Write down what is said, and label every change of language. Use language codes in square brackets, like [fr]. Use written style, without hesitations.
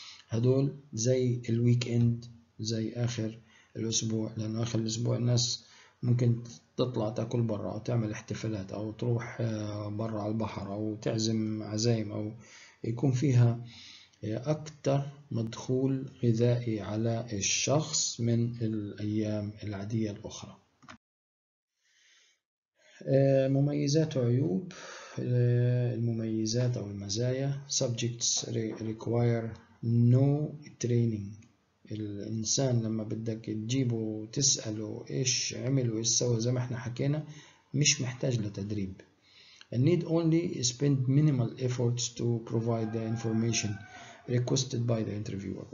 [ar] هدول زي الويك إند زي آخر الأسبوع، لأنه آخر الأسبوع الناس ممكن تطلع تاكل برا أو تعمل احتفالات أو تروح برا على البحر أو تعزم عزايم أو يكون فيها أكثر مدخول غذائي على الشخص من الأيام العادية الأخرى. مميزات وعيوب. المميزات أو المزايا: [en] subjects require no training. [ar] الإنسان لما بدك تجيبه وتسأله إيش عمل وإيش سوى زي ما إحنا حكينا مش محتاج لتدريب. [en] And need only spend minimal efforts to provide the information requested by the interviewer.